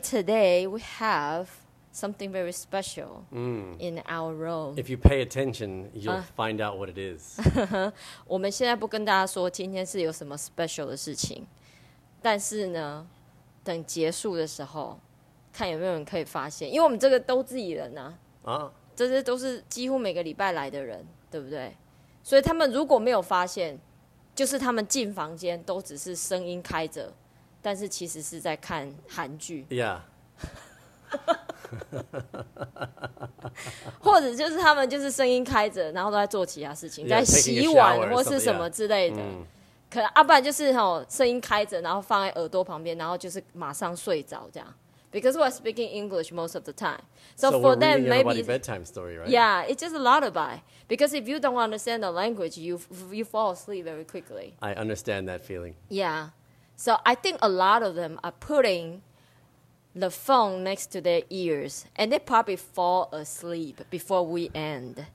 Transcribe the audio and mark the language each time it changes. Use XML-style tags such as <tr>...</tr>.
<en>Today we have something very special in our room. If you pay attention, you'll find out what it is.</en> <zh>我们现在不跟大家说今天是有什么 special 的事情，但是呢，等结束的时候，看有没有人可以发现，因为我们这个都自己人啊，这些都是几乎每个礼拜来的人，对不对？所以他们如果没有发现，就是他们进房间都只是声音开着，但是其实是在看韩剧。</zh> <en>Yeah.</en> <zh>或者就是他们就是声音开着，然后都在做其他事情，在洗碗或是什么之类的。可能啊，不然就是吼声音开着，然后放在耳朵旁边，然后就是马上睡着这样。</zh> <en>Because we're speaking English most of the time, so for them, maybe bedtime story, right? Yeah, it's just a lullaby. Because if you don't understand the language, you fall asleep very quickly. I understand that feeling. Yeah, so I think a lot of them are putting the phone next to their ears, and they probably fall asleep before we end.</en>